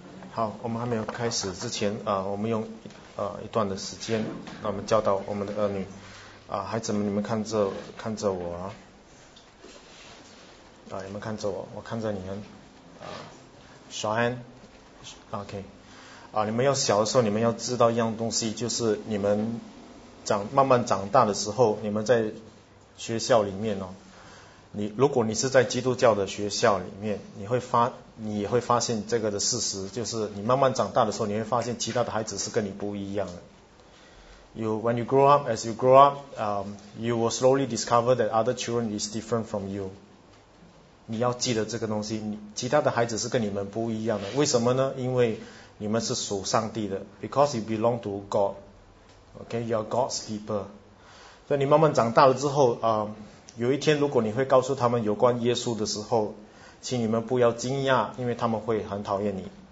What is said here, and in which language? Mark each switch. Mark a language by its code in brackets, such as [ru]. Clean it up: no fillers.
[zh] 好，我们还没有开始之前，我们用一段的时间，那我们教导我们的儿女，孩子们，你们看着我啊，你们看着我，我看着你们，Shine，OK，你们要小的时候，你们要知道一样东西，就是你们慢慢长大的时候，你们在学校里面哦。如果你是在基督教的学校里面，你也会发现这个的事实，就是你慢慢长大的时候，你会发现其他的孩子是跟你不一样的。 [en] When you grow up, you will slowly discover that other children is different from you. [zh] 你要记得这个东西，其他的孩子是跟你们不一样的。为什么呢？因为你们是属上帝的 ， [en] because you belong to God. Okay, you are God's people. [zh] 所以你慢慢长大了之后啊。有一天，如果你会告诉他们有关耶稣的时候，请你们不要惊讶，因为他们会很讨厌你。